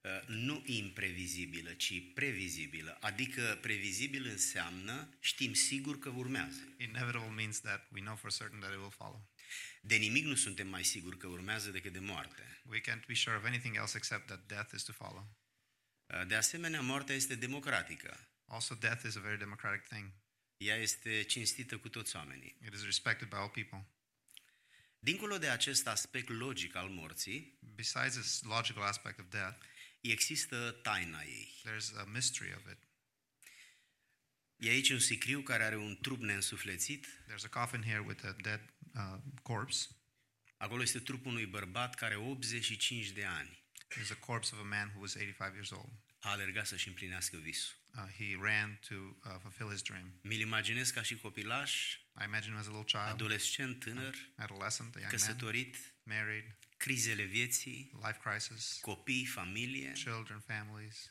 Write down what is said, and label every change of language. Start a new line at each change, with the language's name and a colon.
Romanian: Nu imprevizibilă, ci previzibilă. Adică previzibil înseamnă știm sigur că urmează.
English: Inevitable means that we know for certain that it will follow.
Romanian: De nimic nu suntem mai siguri că urmează decât de moarte.
English: We can't be sure of anything else except that death is to follow.
Romanian: De asemenea, moartea este democratică.
English: Also, death is a very democratic thing.
Romanian: Ea este cinstită cu toți oamenii.
English: It is respected by all people.
Romanian: Dincolo de acest aspect logic al morții,
English: besides this logical aspect of death,
Romanian: există taina ei.
English: There's a mystery of it.
Romanian: E aici un sicriu care are un trup neînsuflețit.
English: There's a coffin here with a dead corpse.
Romanian: Acolo este trupul unui bărbat care are 85 de ani.
English: There's a corpse of a man who was 85 years old.
Romanian: A alergat să-și împlinească visul.
English: He ran to fulfill his dream.
Romanian: Mi-l imaginez ca și copilaș.
English: I imagine him as a little child.
Romanian: Adolescent, tânăr.
English: Adolescent, a young
Romanian: căsătorit,
English: man.
Romanian: Căsătorit.
English: Married.
Romanian: Crizele vieții.
English: Life crisis.
Romanian: Copii, familie.
English: Children, families.